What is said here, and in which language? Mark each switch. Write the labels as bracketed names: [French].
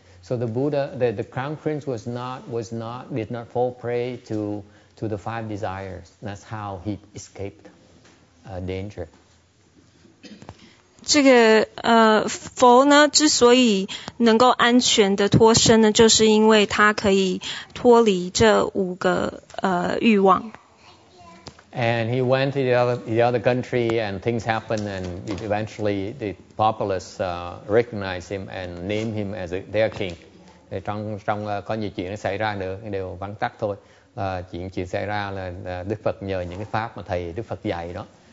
[English] So the Buddha, the Crown Prince did not fall prey to the five desires. That's how he escaped danger. [Chinese] 这个佛呢之所以能够安全的脱身呢，就是因为他可以脱离这五个欲望。 And he went to the other country and things happened and eventually the populace recognized him and named him as their king. [Vietnamese] Trong có nhiều chuyện xảy ra nữa, đều vắn tắt thôi. Chuyện xảy ra là Đức Phật nhờ những cái pháp mà thầy Đức Phật dạy đó.